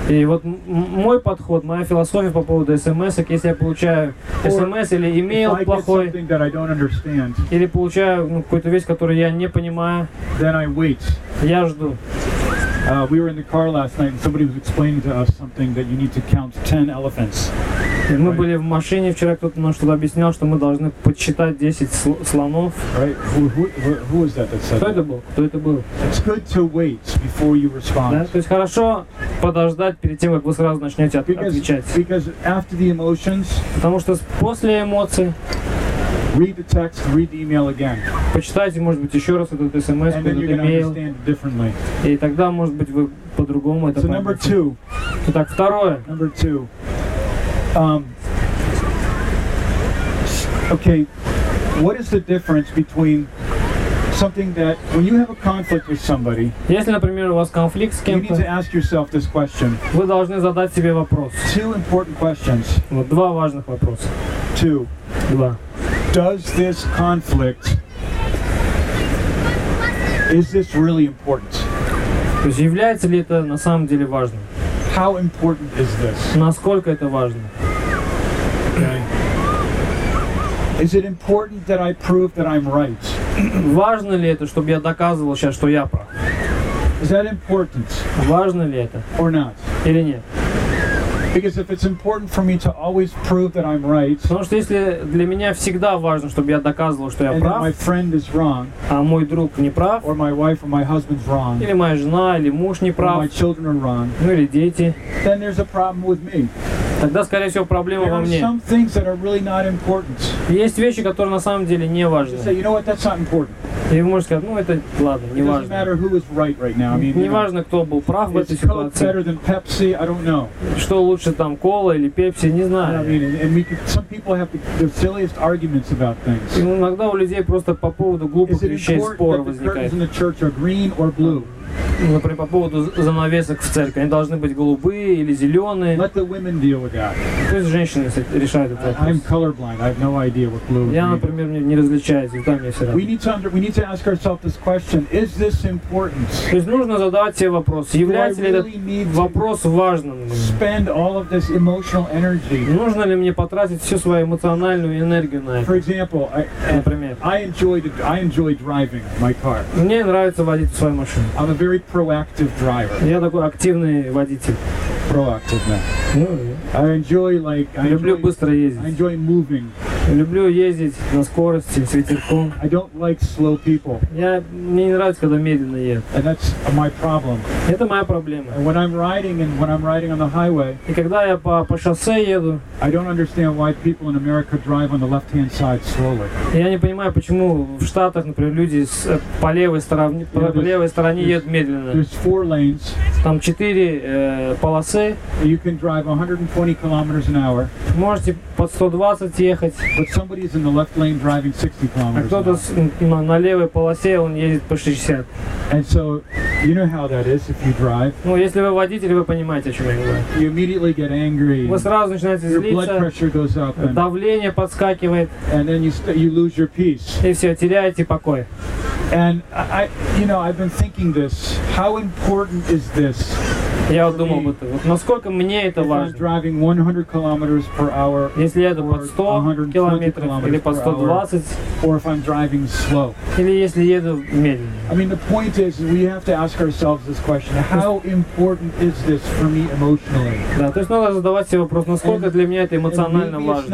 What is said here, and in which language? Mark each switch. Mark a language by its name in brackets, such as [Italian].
[Russian] И вот мой подход, моя философия по поводу SMS, если я получаю SMS или email плохой, или получаю какую-то вещь, которую я не понимаю, я жду. [English] We were in the car last night and somebody was explaining to us something that you need to count 10 elephants. [Russian] Мы right. были в машине вчера, кто-то нам что-то объяснял, что мы должны подсчитать 10 слонов. [English] Right. Who was that said? [Russian] Кто это был? Кто это был? [English] It's good to wait before you respond. [Russian] Да? То есть хорошо подождать перед тем, как вы сразу начнете отвечать. [English] Because after the emotions, [Russian] потому что после эмоций [English] read the text, read the email again. [Russian] Почитайте, может быть, еще раз этот SMS, этот email. И тогда, может быть, вы по-другому это поймете. Итак, второе. [English] Number two. Okay, what is the difference between something that when you have a conflict with somebody, [Russian] если, например, у вас конфликт с кем-то, [English] you need to ask yourself this question. [Russian] Вы должны задать себе вопрос. [English] Two important questions. [Russian] Вот два важных вопроса. [English] Two. [Russian] Два. [English] Does this conflict, is this really important? [Russian] То есть является ли это на самом деле важно? [English] How important is this? [Russian] Насколько это важно? [English] Is it important that I prove that I'm right? [Russian] Важно ли это, чтобы я доказывал сейчас, что я прав? [English] Is that important? [Russian] Важно ли это? [English] Or not? [Russian] Или нет? [English] Because if it's important for me to always prove that I'm right, [Russian] потому что если для меня всегда важно, чтобы я доказывал, что я прав, [English] and that my friend is wrong, [Russian] а мой друг не прав, [English] or my wife or my husband's wrong, [Russian] или моя жена или муж не прав, [English] or my children are wrong, [Russian] ну или дети, [English] then there's a problem with me. [Russian] Тогда, скорее всего, проблема во мне. [English] Some things that are really not important. [Russian] Есть вещи, которые на самом деле не важны. [English] You say, you know what, that's not important. [Russian] И вы можете сказать, ну это ладно, не важно. [English] It doesn't matter who is right right now. I mean, [Russian] не важно, кто был прав в этой ситуации. [English] Is Coke better than Pepsi? I don't know. [Russian] Что лучше там, кола или Пепси, не знаю. [English] I mean, and we could, some people have the silliest arguments about things. [Russian] И иногда у людей просто по поводу глупых вещей споры возникают. [English] Is it important that the curtains in the church are green or blue? [Russian] Например, по поводу занавесок в церкви. Они должны быть голубые или зеленые. [English] Let the women deal with that. [Russian] То есть женщины решают этот вопрос. [English] I'm colorblind. I have no idea what blue [Russian] я, например, не различаю. Там я все равно. [English] We need to ask ourselves this question. Is this important? [Russian] То есть нужно задавать себе вопрос. Является ли этот вопрос важным? [English] Spend all of this emotional energy. [Russian] Нужно ли мне потратить всю свою эмоциональную энергию на это? [English] For example, I enjoy driving my car. [Russian] Мне нравится водить свою машину. [English] A very proactive driver. [Russian] Я такой активный водитель. [English] Proactive, да. Yeah. I enjoy like I [Russian] люблю [English] enjoy, [Russian] быстро ездить. [English] I enjoy moving. [Russian] Люблю ездить на скорости с ветерком. [English] I don't like slow people. [Russian] Я мне не нравится, когда медленно еду. [English] And that's my problem. [Russian] Это моя проблема. [English] And when I'm riding and when I'm riding on the highway. [Russian] И когда я по шоссе еду. [English] I don't understand why people in America drive on the left-hand side slowly. [Russian] Я не понимаю, почему в Штатах, например, люди с по левой стороне yeah, по левой стороне едут медленно. [English] There's four lanes. [Russian] Там четыре полосы. [English] You can drive 120 kilometers an hour. [Russian] Можете под 120 ехать. [English] But somebody is in the left lane driving 60 kilometers. [Russian] А кто-то на левой полосе он едет по 60. [English] And so, you know how that is if you drive. [Russian] Ну, если вы водитель, вы понимаете, о чем я говорю. [English] You immediately get angry. [Russian] Вы сразу начинаете злиться. [English] Your blood pressure goes up. [Russian] Давление подскакивает. [English] And then you lose your peace. [Russian] И все, теряете покой. [English] And I, you know, I've been thinking this. How important is this? [Russian] Я вот думал об этом. Вот насколько мне это важно? [English] Driving 100 kilometers per hour. [Russian] Если я еду под 100 километров или под 120, [English] or if I'm driving slow. [Russian] Или если еду медленно. [English] I mean, the point is, we have to ask ourselves this question: How important is this for me emotionally? [Russian] Да, то есть надо задавать себе вопрос, насколько для меня это эмоционально важно.